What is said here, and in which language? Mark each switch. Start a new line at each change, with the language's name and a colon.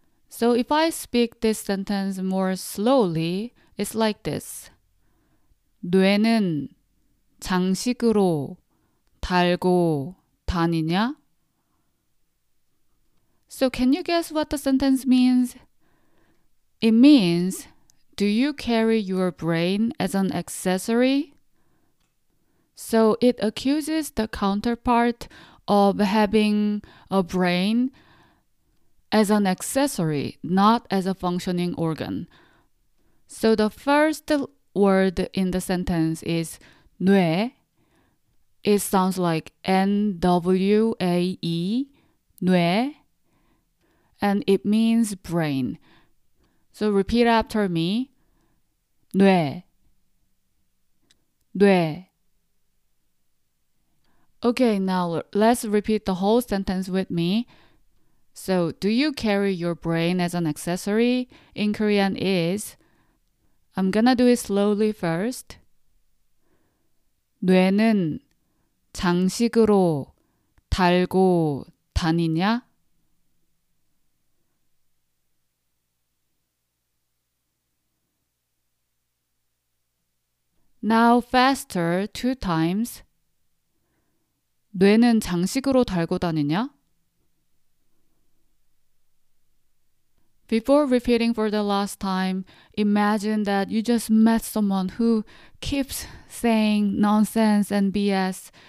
English: So if I speak this sentence more slowly, it's like this.
Korean: 뇌는 장식으로 달고 다니냐?
English: So can you guess what the sentence means? It means Do you carry your brain as an accessory? So it accuses the counterpart of having a brain as an accessory, not as a functioning organ. So the first word in the sentence is 뇌. It sounds like N-W-A-E, 뇌, and it means brain. So repeat after me, 뇌, 뇌. Okay, now let's repeat the whole sentence with me. So, do you carry your brain as an accessory? In Korean is, I'm gonna do it slowly first.
Korean: 뇌는 장식으로 달고 다니냐?
English: Now faster, two times.
Korean: 뇌는 장식으로 달고 다니냐?
English: Before repeating for the last time, imagine that you just met someone who keeps saying nonsense and BS.